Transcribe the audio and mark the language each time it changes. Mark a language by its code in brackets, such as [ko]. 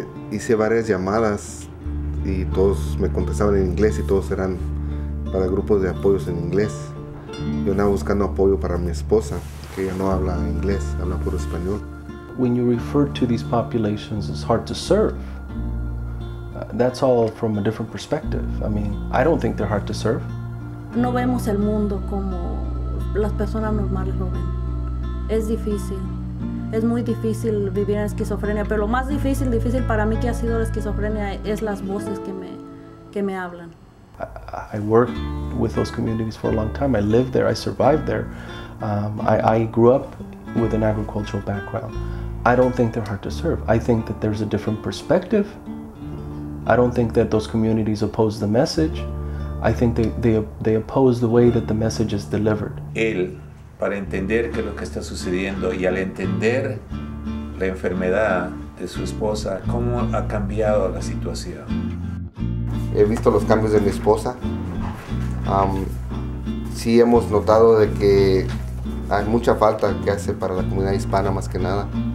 [es] Hice varias llamadas y todos me contestaban en inglés y todos eran para grupos de apoyos en inglés. Yo andaba buscando apoyo para mi esposa, que ella no habla inglés, habla puro español. [en] When you refer to these populations as hard to serve, that's all from a different perspective. I mean, I don't think they're hard to serve. [es] No vemos el mundo como las personas normales lo ven. Es difícil. Es muy difícil vivir en esquizofrenia, pero lo más difícil, difícil para mí que ha sido la esquizofrenia es las voces que me hablan. [en] I worked with those communities for a long time. I lived there. I survived there. I grew up with an agricultural background. I don't think they're hard to serve. I think that there's a different perspective. I don't think that those communities oppose the message. I think they oppose the way that the message is delivered. [es] El. Para entender qué es lo que está sucediendo y al entender la enfermedad de su esposa, cómo ha cambiado la situación. He visto los cambios de mi esposa. Sí hemos notado de que hay mucha falta que hace para la comunidad hispana, más que nada.